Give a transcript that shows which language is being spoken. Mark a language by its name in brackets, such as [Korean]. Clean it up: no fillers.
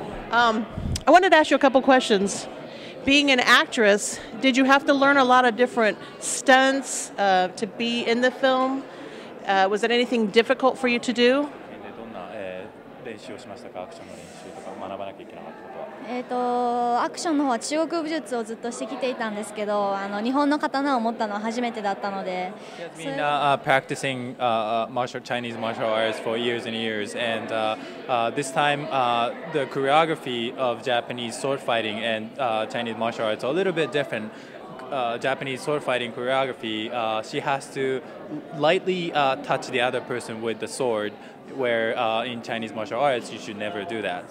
[English] I wanted to ask you a couple questions. Being an actress, did you have to learn a lot of different stunts to be in the film? Was it anything difficult for you to do? [Japanese] アクションの方は中国武術をずっとしてきていたんですけど、日本の刀を持ったのは初めてだったので。 [English] みんな practicing Chinese martial arts for years and years, and this time the choreography of Japanese sword fighting and Chinese martial arts are a little bit different. Japanese sword fighting choreography, she has to lightly touch the other person with the sword, where in Chinese martial arts you should never do that.